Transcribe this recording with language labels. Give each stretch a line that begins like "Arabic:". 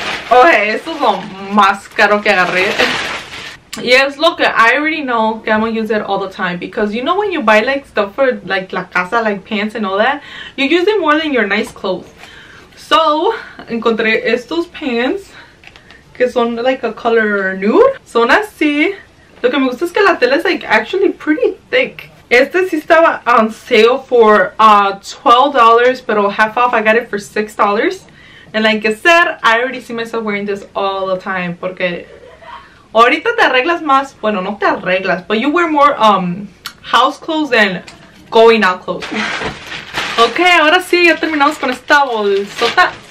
Spanish: Oye, okay, esto es lo más caro que agarré.
English: Y es lo que I already know que I'm going to use it all the time. Because you know when you buy like stuff for like la casa, like pants and all that. You use it more than your nice clothes.
Spanish: So, encontré estos pants. Que son like a color nude. Son así. Lo que me gusta es que la tela es like actually pretty thick. Este sí estaba on sale for $12.
English: Pero half off, I got it for $6. And like I said, I already see myself wearing this all the time.
Spanish: Porque ahorita te arreglas más. Bueno, no te arreglas.
English: But you wear more house clothes than going out clothes.
Spanish: Okay, ahora sí, ya terminamos con esta bolsota.